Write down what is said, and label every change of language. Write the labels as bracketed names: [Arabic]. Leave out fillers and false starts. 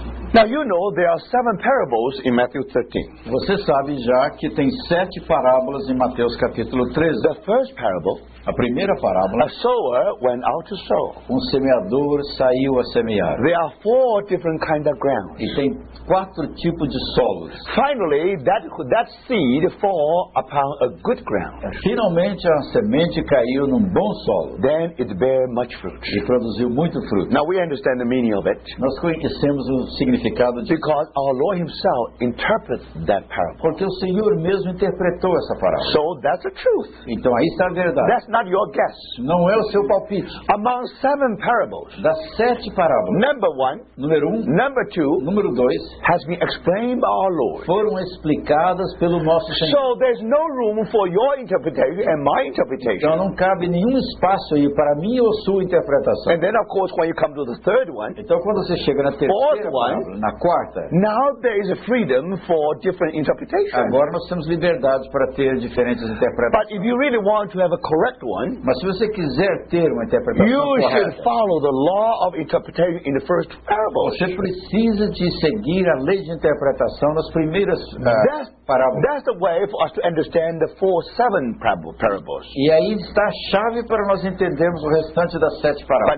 [English] Now you know there are seven parables in Matthew 13. [Portuguese] Você sabe já que tem sete parábolas em Mateus capítulo 13. [English] The first parable, [Portuguese] a primeira parábola, [English] a sower went out to sow. [Portuguese] Um semeador saiu a semear. [English] There are four different kinds of ground. [Portuguese] E tem quatro tipos de solos. [English] Finally, that seed fell upon a good ground. [Portuguese] Finalmente a semente caiu num bom solo. [English] Then it bear much fruit. [Portuguese] E produziu muito fruto. [English] Now we understand the meaning of it. [Portuguese] Nós conhecemos o significado de [English] because our Lord himself interprets that parable. [Portuguese] Porque o Senhor mesmo interpretou essa parábola. [English] So that's the truth. [Portuguese] Então aí está a verdade. [English] That's not your guess. [Portuguese] Não é o seu palpite. [English] Among seven parables, [Portuguese] das sete parábolas, [English] number one, [Portuguese] número um, [English] number two, [Portuguese] número dois, [English] has been explained by our Lord. [Portuguese] Foram explicadas pelo nosso Senhor. [English] So there's no room for your interpretation and my interpretation. [Portuguese] Então não cabe nenhum espaço aí para mim ou sua interpretação. [English] And then of course when you come to the third one, [Portuguese] então quando você chega na terceira [English] one, [Portuguese] na quarta, [English] now there is a freedom for different interpretations. [Portuguese] Agora nós temos liberdade para ter diferentes interpretações. [English] But if you really want to have a correct one, [Portuguese] mas se você quiser ter uma interpretação [English] you [Portuguese] correta, [English] should follow the law of interpretation in the first parable. [Portuguese] Você precisa de seguir a lei de interpretação nas primeiras parábolas. [English] That's the way for us to understand the four seven parables. [Portuguese] E aí está a chave para nós entendermos o restante das sete parábolas.